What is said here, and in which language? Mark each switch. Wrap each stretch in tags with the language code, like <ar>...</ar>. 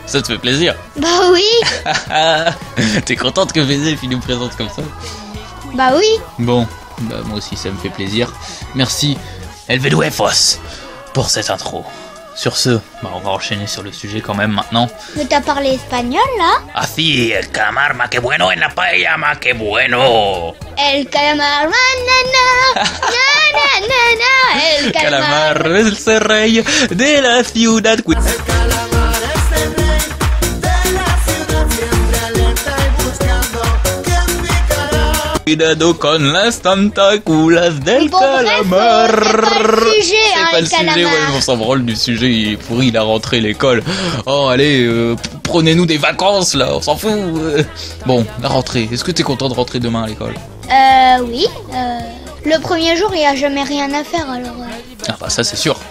<fr>Ça te fait plaisir? Bah oui. T'es contente que V2F nous présente comme ça? Bah oui. Bon, bah moi aussi ça me fait plaisir. Merci, LV2FOS, pour cette intro. Sur ce, bah on va enchaîner sur le sujet quand même maintenant. Mais t'as parlé espagnol là?</fr> <es>Ah si, el calamar, ma que bueno, en la paella, ma que bueno. El calamar, manana, manana, el calamar. El calamar es el rey de la ciudad. El calamar es el rey de la ciudad, siempre alerta y buscando quien picará. Cuidado con las tentaculas del calamar.</es> <fr>Pas le sujet, ouais, on s'en branle du sujet, il est pourri, il a rentré l'école. Oh, allez, prenez-nous des vacances là, on s'en fout. Bon, la rentrée, est-ce que t'es content de rentrer demain à l'école? Oui. Le premier jour, il n'y a jamais rien à faire alors. Ah, bah ça, c'est sûr.</fr>